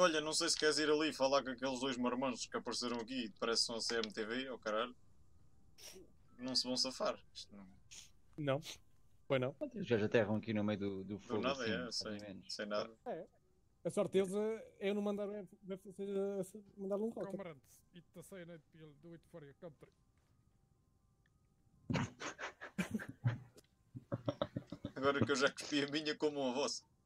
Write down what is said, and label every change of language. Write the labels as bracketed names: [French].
[Portuguese] Olha, não sei se queres ir ali falar com aqueles dois marmanjos que apareceram aqui e parece que são a CMTV, ou caralho. Não se vão safar. Isto não... Não. Foi não. Os gajos aterram aqui no meio do, do fogo. Do nada, assim, é, sem, sem nada. É. A sorte deles é não mandar mandar um coque. [English] Comrade, eat the cyanide pill, do it for your country. [Portuguese] Agora que eu já cuspi a minha, como a vossa.